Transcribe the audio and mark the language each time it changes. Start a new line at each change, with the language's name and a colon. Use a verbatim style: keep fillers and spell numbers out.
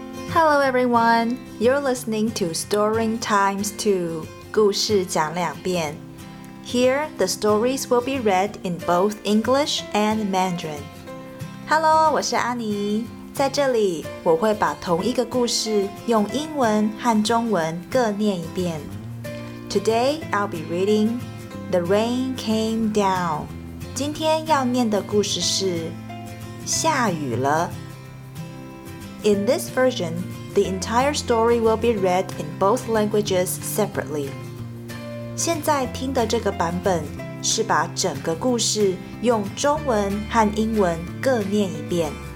English: Hello everyone, you're listening to Story Times two,
Chinese: 故事讲两遍。
English: Here, the stories will be read in both English and Mandarin.
Chinese: Hello, 我是安妮。在这里，我会把同一个故事用英文和中文各念一遍。
English: Today, I'll be reading The Rain Came Down.
Chinese: 今天要念的故事是下雨了。
English: In this version, the entire story will be read in both languages separately.
Chinese: 现在听的这个版本是把整个故事用中文和英文各念一遍。